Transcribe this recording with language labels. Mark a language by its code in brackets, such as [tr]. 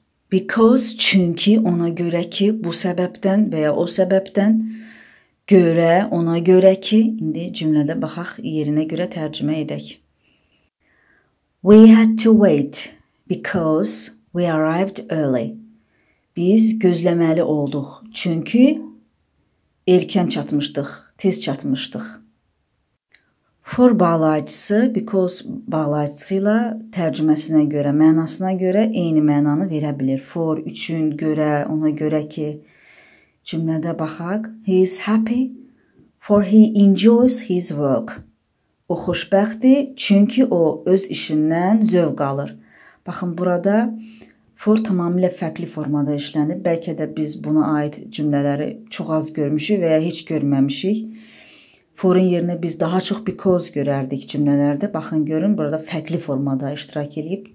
[az] Because, çünki ona görə ki, bu səbəbdən və ya o səbəbdən görə, ona görə ki, indi cümlədə baxaq, yerinə görə tərcümə edək. [en] We had to wait because we arrived early. [az] Biz gözləməli olduq, çünki erkən çatmışdıq, tez çatmışdıq. For bağlayıcısı, because bağlayıcısı ilə tərcüməsinə görə, mənasına görə eyni mənanı verə bilir. For üçün görə, ona görə ki, cümlədə baxaq. [en] He is happy, for he enjoys his work. [az] O xoşbəxtdir, çünki o öz işindən zövq alır. Baxın, burada for tamamilə fərqli formada işlənib. Bəlkə də biz buna aid cümlələri çox az görmüşük və ya heç görməmişik. For-un yerinə biz daha çox because görərdik cümlələrdə. Baxın, görün, burada fərqli formada iştirak edib.